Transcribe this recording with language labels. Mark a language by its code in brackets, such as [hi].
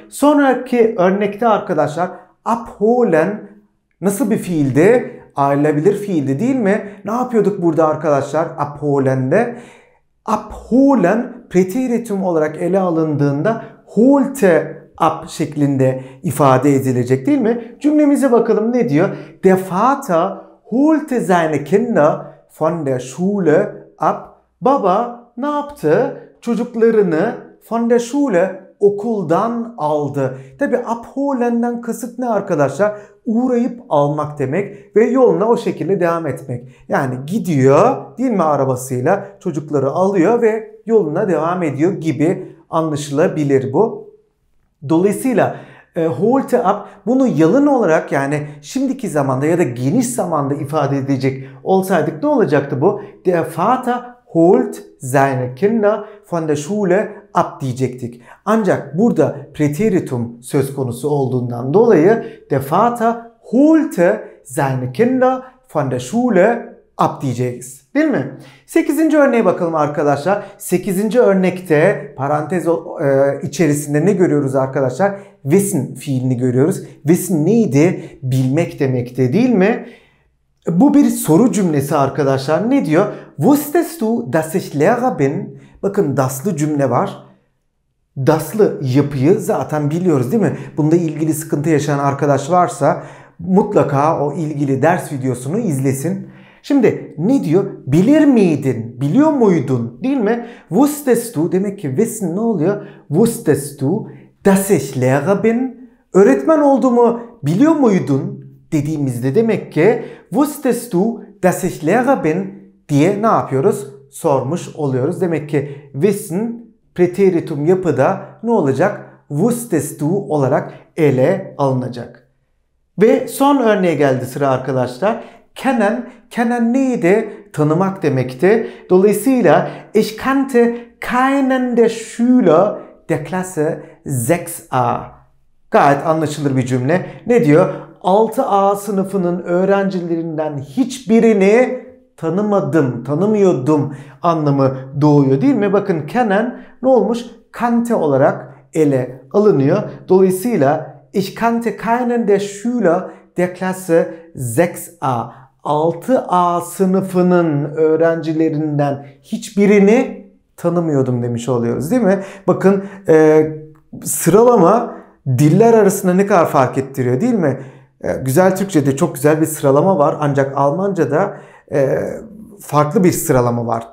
[tr] Sonraki örnekte arkadaşlar abholen nasıl bir fiildi? Ayrılabilir fiildi değil mi? Ne yapıyorduk burada arkadaşlar abholen'de? Abholen preteritum olarak ele alındığında [de] holte ab [tr] şeklinde ifade edilecek değil mi? Cümlemize bakalım ne diyor? [de] Der Vater holte seine Kinder von der Schule ab. [tr] Baba ne yaptı? Çocuklarını [de] von der Schule [tr] okuldan aldı. Tabi abholen'den kasıt ne arkadaşlar? Uğrayıp almak demek ve yoluna o şekilde devam etmek. Yani gidiyor değil mi arabasıyla çocukları alıyor ve yoluna devam ediyor gibi anlaşılabilir bu. Dolayısıyla holte ab bunu yalın olarak yani şimdiki zamanda ya da geniş zamanda ifade edecek olsaydık ne olacaktı bu? [de] Der Vater holt seine Kinder von der Schule ab [tr] diyecektik. Ancak burada preteritum söz konusu olduğundan dolayı [de] der Vater holte seine Kinder von der Schule ab [tr] diyeceğiz. Değil mi? Sekizinci örneğe bakalım arkadaşlar. Sekizinci örnekte parantez içerisinde ne görüyoruz arkadaşlar? Wissen fiilini görüyoruz. Wissen neydi? Bilmek demekti değil mi? Bu bir soru cümlesi arkadaşlar. Ne diyor? [de] Wusstest du, dass ich Lehrer bin? [tr] Bakın daslı cümle var. Daslı yapıyı zaten biliyoruz değil mi? Bunda ilgili sıkıntı yaşayan arkadaş varsa mutlaka o ilgili ders videosunu izlesin. Şimdi ne diyor? Bilir miydin? Biliyor muydun? Değil mi? [de] Wusstest du? [tr] Demek ki wissen ne oluyor? [de] Wusstest du, dass ich Lehrer bin? [tr] Öğretmen olduğumu biliyor muydun? Dediğimizde demek ki [de] wusstest du, dass ich Lehrer bin? [tr] Diye ne yapıyoruz? Sormuş oluyoruz. Demek ki wissen preteritum yapıda ne olacak? [de] Wusstest du [tr] olarak ele alınacak. Ve son örneğe geldi sıra arkadaşlar. Kennen, kennen neydi? Tanımak demekti. Dolayısıyla [de] ich kannte keinen der Schüler der Klasse 6a. [tr] Gayet anlaşılır bir cümle. Ne diyor? 6A sınıfının öğrencilerinden hiçbirini tanımadım, tanımıyordum anlamı doğuyor değil mi? Bakın kennen ne olmuş? Kante olarak ele alınıyor. Dolayısıyla [de] ich kannte keinen der Schüler der Klasse 6A. [tr] 6A sınıfının öğrencilerinden hiçbirini tanımıyordum demiş oluyoruz değil mi? Bakın sıralama diller arasında ne kadar fark ettiriyor değil mi? Güzel Türkçe'de çok güzel bir sıralama var ancak Almanca'da farklı bir sıralama var.